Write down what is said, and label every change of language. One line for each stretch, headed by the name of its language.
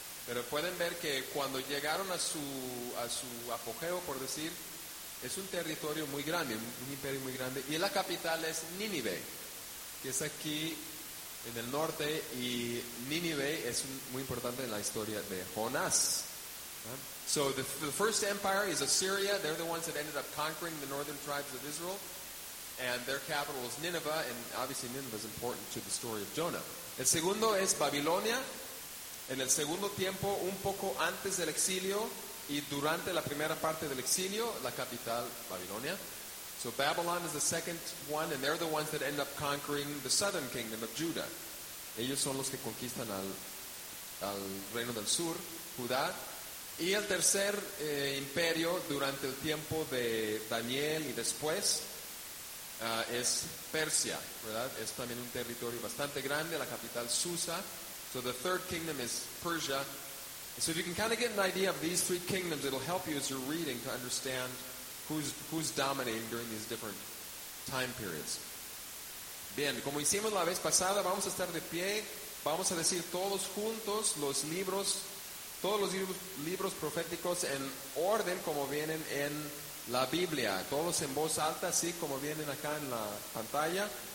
Spanish: Pero pueden ver que cuando llegaron a su apogeo, por decir, es un territorio muy grande, un imperio muy grande, y la capital es Nínive, que es aquí en el norte, y Nínive es muy importante en la historia de Jonás.
English: So the first empire is Assyria. They're the ones that ended up conquering the northern tribes of Israel, and their capital is Nineveh, and obviously Nineveh is important to the story of Jonah.
Spanish: El segundo es Babilonia, en el segundo tiempo, un poco antes del exilio, y durante la primera parte del exilio, la capital, Babilonia.
English: So Babylon is the second one, and they're the ones that end up conquering the southern kingdom of Judah.
Spanish: Ellos son los que conquistan al reino del sur, Judá. Y el tercer imperio durante el tiempo de Daniel y después es Persia, ¿verdad? Es también un territorio bastante grande, la capital Susa.
English: So the third kingdom is Persia. So if you can kind of get an idea of these three kingdoms, it'll help you as you're reading to understand who's dominating during these different time periods.
Spanish: Bien, como hicimos la vez pasada, vamos a estar de pie, vamos a decir todos juntos los libros, todos los libros proféticos en orden como vienen en la Biblia, todos en voz alta, así como vienen acá en la pantalla.